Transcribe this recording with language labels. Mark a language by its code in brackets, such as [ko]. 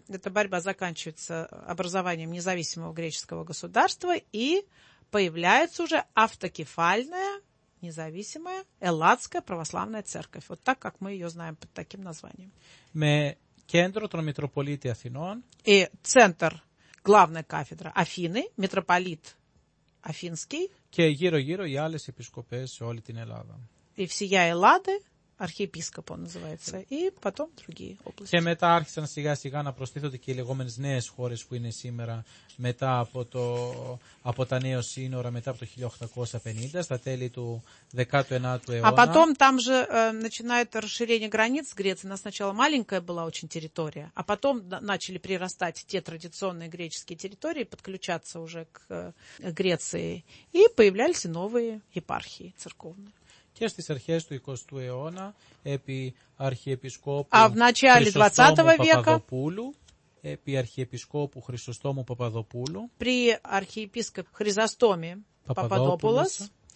[ru] Эта борьба заканчивается образованием независимого греческого государства и появляется уже автокефальная независимая Элладская православная церковь. Вот так, как мы ее знаем под таким названием. [el] Με κέντρο των Μητροπολίτη Αθηνών. [ru] И центр, главная кафедра Афины, митрополит Афинский. [el] Και γύρω-γύρω οι άλλες επισκοπές σε όλη την Ελλάδα. [ru] И всея Эллады, архиепископ он называется, и потом другие области. [el] Και μετά άρχισαν σιγά-σιγά να προστίθονται και οι λεγόμενες νέες χώρες που είναι σήμερα μετά από, το, από τα νέα σύνορα, μετά από το 1850, στα τέλη του 19ου αιώνα. [ru] А потом там же начинает расширение границ Греции. Нас сначала маленькая была очень территория, а потом начали прирастать те традиционные греческие территории, подключаться уже к Греции, и появлялись новые епархии церковные. [el] Και στις αρχές του 20ου αιώνα, επί αρχιεπισκόπου Χρυσοστόμου Παπαδοπούλου, [ru] при αρχιεπίσκοπ Χρυσοστόμη Παπαδόπουλος,